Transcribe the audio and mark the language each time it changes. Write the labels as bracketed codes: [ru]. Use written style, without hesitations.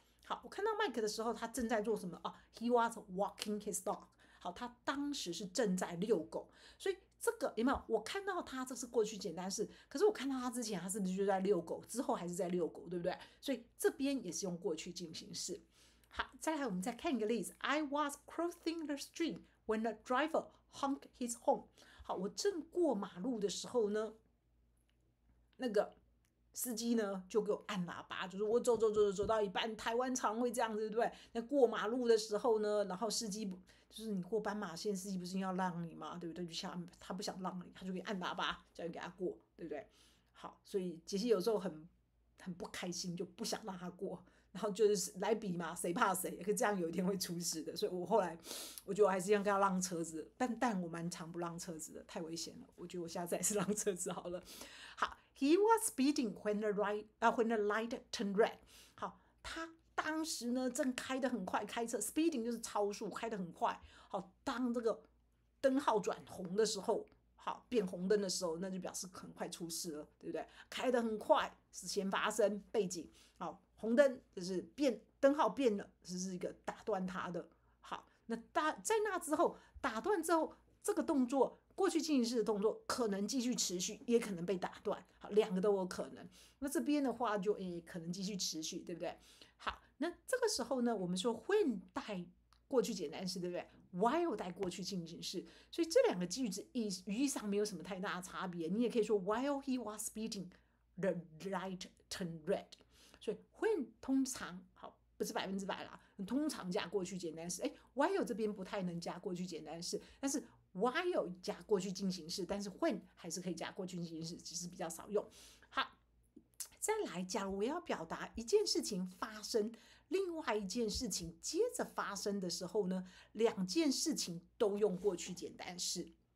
[zh] 好，我看到 Mike 的时候，他正在做什么？ [en] He was walking his dog. [zh] 好，他当时是正在遛狗，所以这个有没有？我看到他，这是过去简单式。可是我看到他之前，他是不是就在遛狗？之后还是在遛狗，对不对？所以这边也是用过去进行式。好，再来我们再看一个例子。 [en] I was crossing the street when the driver honked his horn. [zh] 好，我正过马路的时候呢，那个司机呢就给我按喇叭，就是我走走走走走到一半，台湾常会这样子，对不对？那过马路的时候呢，然后司机就是你过斑马线，司机不是要让你吗？对不对？就想他不想让你，他就给你按喇叭，叫你给他过，对不对？好，所以杰西有时候很不开心，就不想让他过，然后就是来比嘛，谁怕谁？可这样有一天会出事的，所以我后来我觉得我还是要跟他让车子，但我蛮常不让车子的，太危险了。我觉得我下次还是让车子好了。好。 [en] He was speeding when the light turned red. [zh] 好，他当时呢正开得很快，开车 speeding 就是超速，开得很快。好，当这个灯号转红的时候，好变红灯的时候，那就表示很快出事了，对不对？开得很快是先发生背景。好，红灯就是变灯号变了，这是一个打断他的。好，那在那之后打断之后，这个动作。过去进行式的动作可能继续持续，也可能被打断，好，两个都有可能。那这边的话就可能继续持续，对不对？好，那这个时候呢，我们说 when 带过去简单式，对不对？ while 带过去进行式，所以这两个句子语义上没有什么太大的差别。你也可以说 [en] while he was speeding, the light turned red。 [zh] 所以 when 通常好。不是百分之百啦，通常加过去简单式。while 这边不太能加过去简单式，但是 while 加过去进行式，但是 when 还是可以加过去进行式，只是比较少用。好，再来，假如我要表达一件事情发生，另外一件事情接着发生的时候呢，两件事情都用过去简单式。